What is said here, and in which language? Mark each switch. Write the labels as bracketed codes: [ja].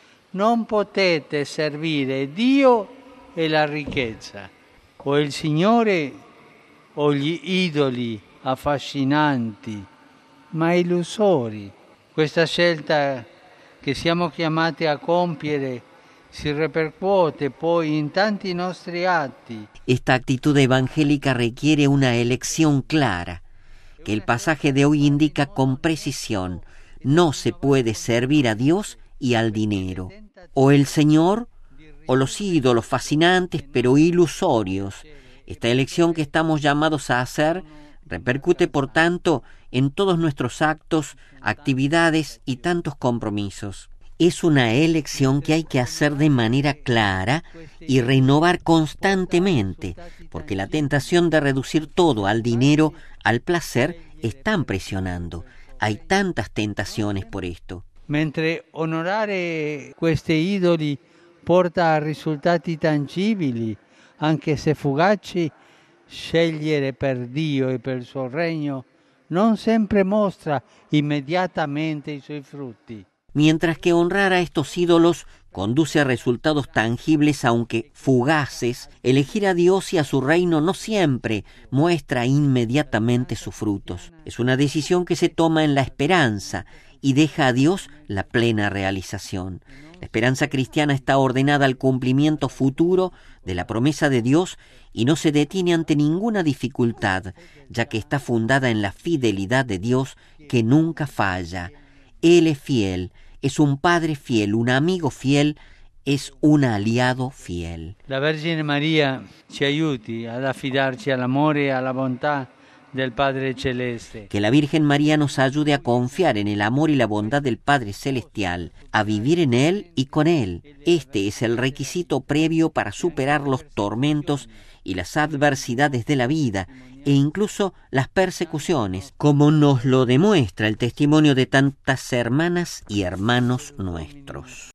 [it] Non potete servire Dio e la ricchezza, o il Signore o gli idoli affascinanti, ma illusori. Questa scelta che siamo chiamati a compiere si repercuote poi in tanti nostri atti. [es] Esta actitud evangélica requiere una elección clara, que el pasaje de hoy indica con precisión: no se puede servir a Dios y al dinero. O el Señor, o los ídolos fascinantes pero ilusorios. Esta elección que estamos llamados a hacer repercute, por tanto, en todos nuestros actos, actividades y tantos compromisos. Es una elección que hay que hacer de manera clara y renovar constantemente, porque la tentación de reducir todo al dinero, al placer, es tan presionando. Hay tantas tentaciones por esto. [it] Mentre onorare questi idoli porta a risultati tangibili, anche se fugaci, scegliere per Dio e per il suo regno non sempre mostra immediatamente i suoi frutti. [es] Mientras que honrar a estos ídolos conduce a resultados tangibles, aunque fugaces, elegir a Dios y a su reino no siempre muestra inmediatamente sus frutos. Es una decisión que se toma en la esperanza y deja a Dios la plena realización. La esperanza cristiana está ordenada al cumplimiento futuro de la promesa de Dios y no se detiene ante ninguna dificultad, ya que está fundada en la fidelidad de Dios que nunca falla. Él es fiel, es un padre fiel, un amigo fiel, es un aliado fiel. [it] La Vergine María ci aiuti ad affidarci all'amore e alla bontà del Padre Celeste. [es] Que la Virgen María nos ayude a confiar en el amor y la bondad del Padre Celestial, a vivir en Él y con Él. Este es el requisito previo para superar los tormentos y las adversidades de la vida, e incluso las persecuciones, como nos lo demuestra el testimonio de tantas hermanas y hermanos nuestros.